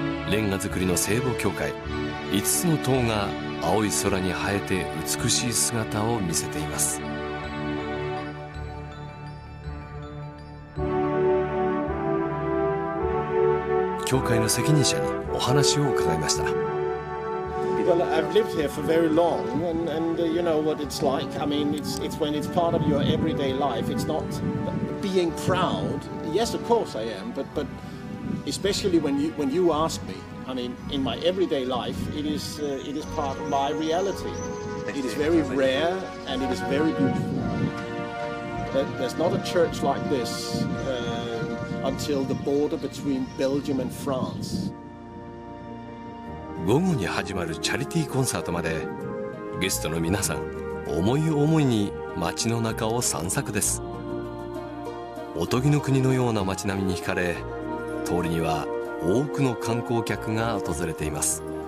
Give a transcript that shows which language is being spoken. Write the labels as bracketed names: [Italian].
[Japanese] レンガ造りの聖母教会、5つの塔が青い空に映えて美しい姿を見せています。教会の責任者にお話を伺いました。 [English] Well, I've lived here for very long, and you know what it's like. I mean, it's when it's part of your everyday life. It's not being proud. Yes, of course I am, but especially when you ask me, I mean, in my everyday life, it is part of my reality. It is very rare, and it is very beautiful. There's not a church like this until the border between Belgium and France. [Japanese] 午後に始まるチャリティーコンサートまでゲストの皆さん思い思いに街の中を散策です。おとぎの国のような街並みに惹かれ、通りには多くの観光客が訪れています。